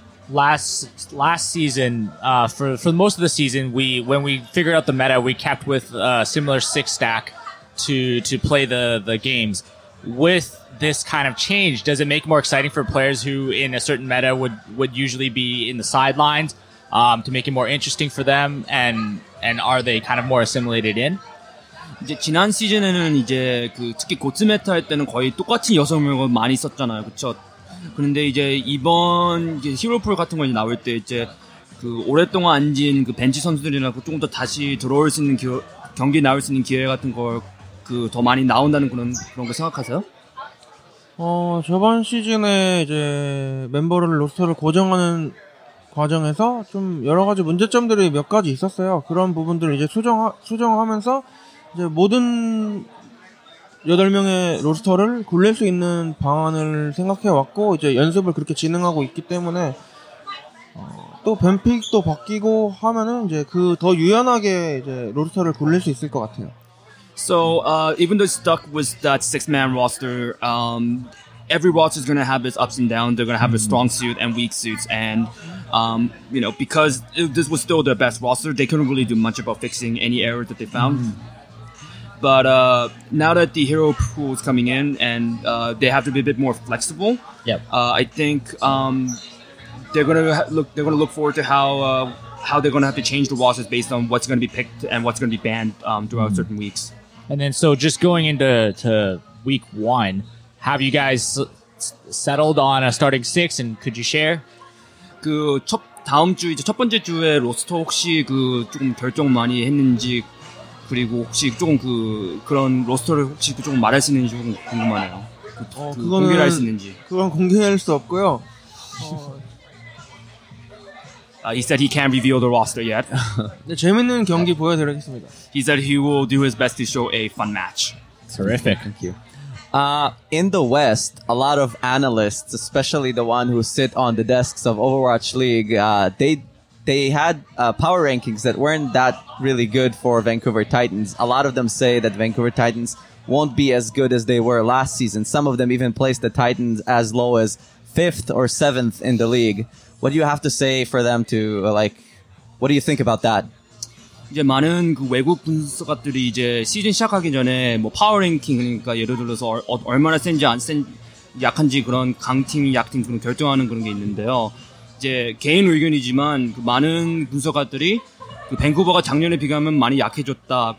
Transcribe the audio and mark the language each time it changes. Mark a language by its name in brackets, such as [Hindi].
[English] Last season, for most of the season, when we figured out the meta, we kept with a similar 6-stack. To play the games. With this kind of change, does it make more exciting for players who in a certain meta would usually be in the sidelines to make it more interesting for them and are they kind of more assimilated in? [Korean] 이제 지난 시즌에는 이제 그 특히 고츠메타 할 때는 거의 똑같은 여섯 명을 많이 썼잖아요. 그렇죠? 그런데 이제 이번 이제 히로폴 같은 거 이제 나올 때 이제 그 오랫동안 앉은 그 벤치 선수들이나 그 조금 더 다시 들어올 수 있는 경기에 나올 수 있는 기회 같은 걸 그 더 많이 나온다는 그런 거 생각하세요? 저번 시즌에 이제 멤버를 로스터를 고정하는 과정에서 좀 여러 가지 문제점들이 몇 가지 있었어요. 그런 부분들을 이제 수정하면서 이제 모든 8명의 로스터를 굴릴 수 있는 방안을 생각해 왔고 이제 연습을 그렇게 진행하고 있기 때문에 또 벤픽도 바뀌고 하면은 이제 그 더 유연하게 이제 로스터를 굴릴 수 있을 것 같아요. [English] So even though stuck with that 6-man roster, every roster is going to have its ups and downs. They're going to have a strong suit and weak suits. And, you know, because this was still their best roster, they couldn't really do much about fixing any error that they found. But now that the hero pool is coming in and they have to be a bit more flexible, I think they're going to look forward to how they're going to have to change the rosters based on what's going to be picked and what's going to be banned throughout certain weeks. And then so just going into week one, have you guys settled on a starting six? And could you share? [Korean] 그 첫 다음 주 이제 첫 번째 주에 로스터 혹시 그 조금 결정 많이 했는지 그리고 혹시 조금 그 그런 로스터를 혹시 조금 말할 수 있는지 조금 궁금하네요. 그 공개를 할 수 있는지. 그건 공개할 수 없고요. [English] He said he can't reveal the roster yet. [Korean] 네, 재밌는 경기 보여드리겠습니다. [English] He said he will do his best to show a fun match. Terrific. Thank you. In the West, a lot of analysts, especially the one who sit on the desks of Overwatch League, they had power rankings that weren't that really good for Vancouver Titans. A lot of them say that Vancouver Titans won't be as good as they were last season. Some of them even placed the Titans as low as 5th or 7th in the league. What do you have to say for them to, like, what do you think about that? [Korean] 이제 많은 그 외국 분석가들이 이제 시즌 시작하기 전에 뭐 파워 랭킹 그러니까 예를 들어서 얼마나 센지 안 센 약한지 그런 강팀 약팀 그런 결정하는 그런 게 있는데요. 이제 개인 의견이지만 그 많은 분석가들이 그 밴쿠버가 작년에 비교하면 많이 약해졌다.